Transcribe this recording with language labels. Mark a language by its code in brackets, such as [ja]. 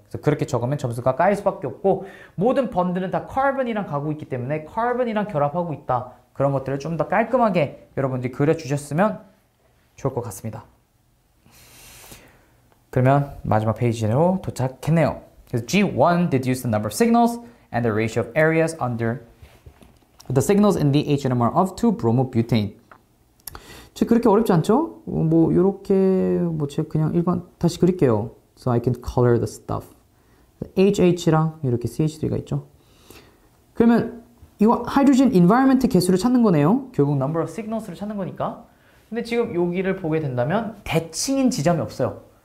[ko] 그래서 그렇게 적으면 점수가 까일 수밖에 없고 모든 번드는 다 carbon이랑 가고 있기 때문에 carbon이랑 결합하고 있다. 그런 것들을 좀더 깔끔하게 여러분들이 그려주셨으면 좋을 것 같습니다. 그러면 마지막 페이지로 도착했네요. 그래서 [en] G1 deduce the number of signals and the ratio of areas under the signals in the HNMR of 2-bromobutane. [ko] 그렇게 어렵지 않죠? 뭐 이렇게 뭐 제가 그냥 일반 다시 그릴게요. [en] So I can color the stuff. [ko] HH랑 이렇게 CH3가 있죠. 그러면 이거 하이드로젠 인바이러먼트 개수를 찾는 거네요. 결국 number of signals를 찾는 거니까. 근데 지금 여기를 보게 된다면 대칭인 지점이 없어요.